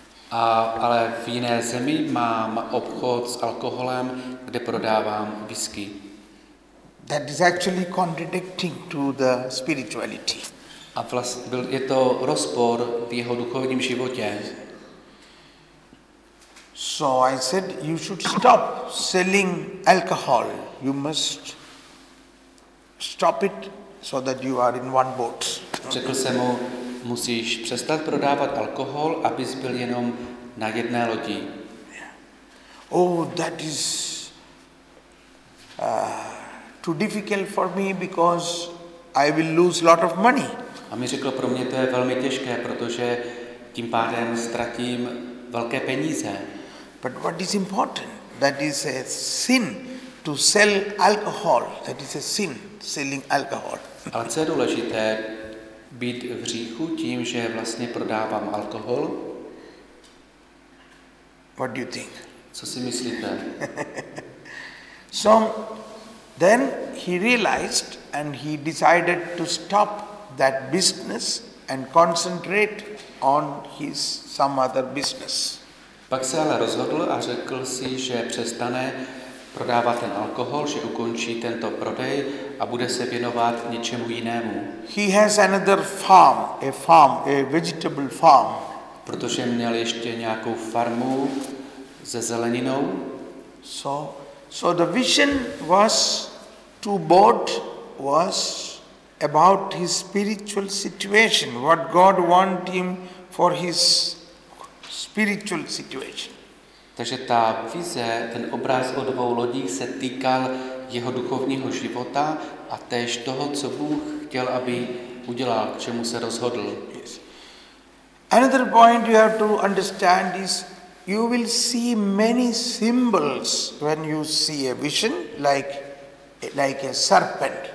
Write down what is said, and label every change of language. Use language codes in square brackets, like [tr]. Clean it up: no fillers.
[cs] Ale v jiné zemi mám obchod s alkoholem, kde prodávám whisky. [en] That is actually contradicting to the spirituality. [cs] A vlastně je to rozpor v jeho duchovním životě. [en] So I said, you should stop selling alcohol. You must stop it so that you are in one boat. [cs] Řekl jsem mu, musíš přestat prodávat alkohol, abys byl jenom na jedné lodi. [en] Yeah. Oh, that is too difficult for me because I will lose lot of money. [cs] A mi řekl, pro mě to je velmi těžké, protože tím pádem ztratím velké peníze. [en] But what is important? That is a sin to sell alcohol. That is a sin selling alcohol. [cs] Ale co je důležité, být v hříchu tím, že vlastně prodávám alkohol? [en] What do you think? [cs] Co si myslíte? [en] So then he realized and he decided to stop that business and concentrate on his some other business. [cs] Pak se ale rozhodl a řekl si, že přestane prodávat ten alkohol, že ukončí tento prodej a bude se věnovat něčemu jinému. [en] He has another farm, a vegetable farm. [cs] Protože měl ještě nějakou farmu se zeleninou. [en] So the vision was to board was about his spiritual situation, what God want him for his spiritual situation. [cs] Takže ta vize, ten obraz o dvou lodích se týkal jeho duchovního života a též toho, co Bůh chtěl, aby udělal, k čemu se rozhodl. [en] Yes. Another point you have to understand is you will see many symbols when you see a vision, like a serpent.